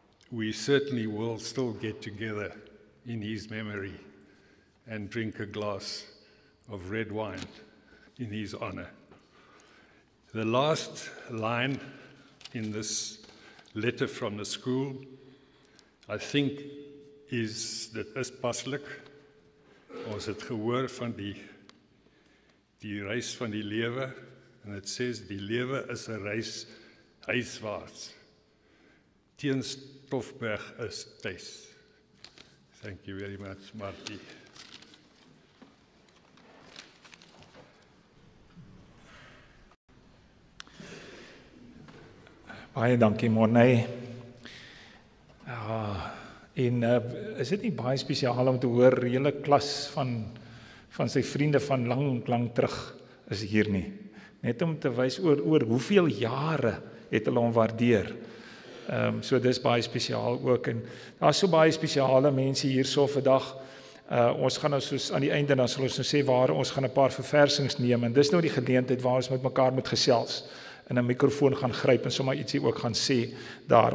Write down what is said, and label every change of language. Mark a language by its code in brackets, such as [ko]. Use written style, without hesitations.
[en] we certainly will still get together in his memory and drink a glass of red wine in his honor. The last line in this letter from the school, I think, is [af] dat is paslik. Ons het gehoor van die reis van die lewe, en het sê, die lewe is 'n reis huiswaarts. [en] Theuns Stofberg is thuis. Thank you very much, Marty. [af] Baie dankie, Monet. En is dit nie baie spesiaal om te hoor, hele klas van sy vriende van lang terug is hier nie. Net om te wys oor hoeveel jare het hulle hom waardeer. So dis baie spesiaal ook. En daar is so baie spesiale mense hier so vandag. Ons gaan nou soos aan die einde, dan sal ons nou sê waar ons gaan 'n paar verversings neem. En dis nou die geleentheid waar ons met mekaar moet gesels. En een microfoon gaan gryp en sommer ietsie ook gaan sê daar.